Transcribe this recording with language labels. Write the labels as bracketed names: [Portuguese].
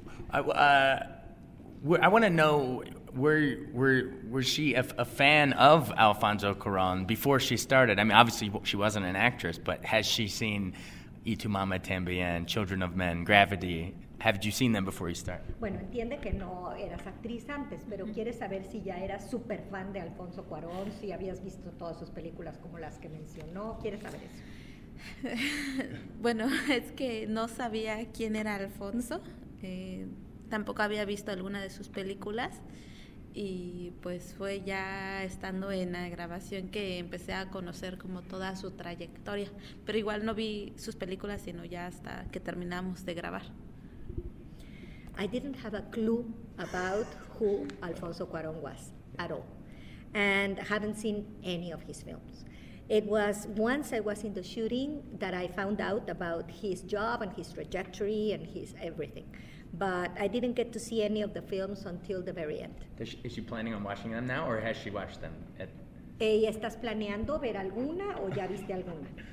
[English] I want to know, were she a fan of Alfonso Cuarón before she started? I mean, obviously she wasn't an actress, but has she seen Y Tu Mamá También, Children of Men, Gravity? Have you seen them before you start? [Spanish] Bueno, entiende que no eras actriz antes, pero quiere saber si ya eras super fan de Alfonso Cuarón, si habías visto todas sus películas como las que mencionó. Quiere saber eso. Bueno, es que no sabía quién era Alfonso. Tampoco había visto alguna de sus películas. Y pues fue ya estando en la grabación que empecé a conocer como toda su trayectoria. Pero igual no vi sus películas, sino ya hasta que terminamos de grabar. [English] I didn't have a clue about who Alfonso Cuarón was at all, and haven't seen any of his films. It was once I was in the shooting that I found out about his job and his trajectory and his everything, but I didn't get to see any of the films until the very end. Is she planning on watching them now, or has she watched them? [Spanish] ¿Estás planeando ver alguna o ya viste alguna?